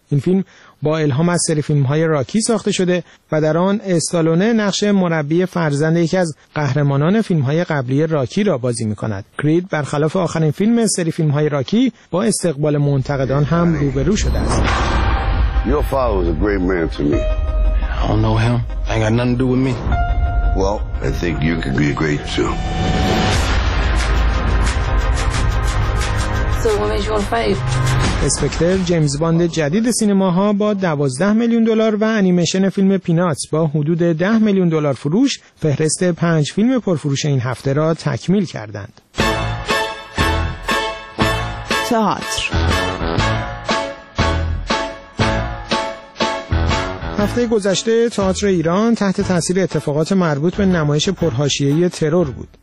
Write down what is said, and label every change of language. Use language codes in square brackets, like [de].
[fa] این فیلم با الهام از سری فیلم‌های راکی ساخته شده و در آن استالونه نقش مربی فرزند یکی از قهرمانان فیلم‌های قبلی راکی را بازی می‌کند. کرید برخلاف آخرین فیلم سری فیلم‌های راکی با استقبال منتقدان هم روبرو شده است. [en] Your father was a great man to me. I don't know him. I ain't got nothing to do with me. Well, I think you could be great too. So what makes you want to fight? [fa] اسپکتر جیمز باند جدید سینماها با 12 میلیون دلار و انیمیشن فیلم پیناتس با حدود 10 میلیون دلار فروش فهرست 5 فیلم پرفروش این هفته را تکمیل کردند. تئاتر هفته گذشته تئاتر ایران تحت تاثیر اتفاقات مربوط به نمایش پرحاشیه‌ای ترور بود.